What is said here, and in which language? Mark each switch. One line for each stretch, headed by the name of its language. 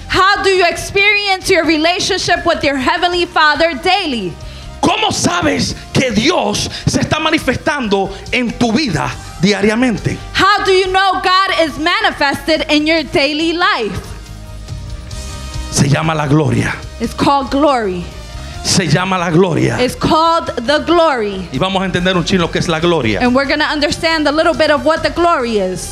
English: How do you experience your relationship with your Heavenly Father daily?
Spanish: ¿Cómo sabes que Dios se está manifestando en tu vida diariamente?
English: How do you know God is manifested in your daily life?
Spanish: Se llama la gloria.
English: It's called glory.
Spanish: se llama la gloria.
English: It's called the glory.
Spanish: Y vamos a entender un chino lo que es la gloria.
English: And we're going to understand a little bit of what the glory is.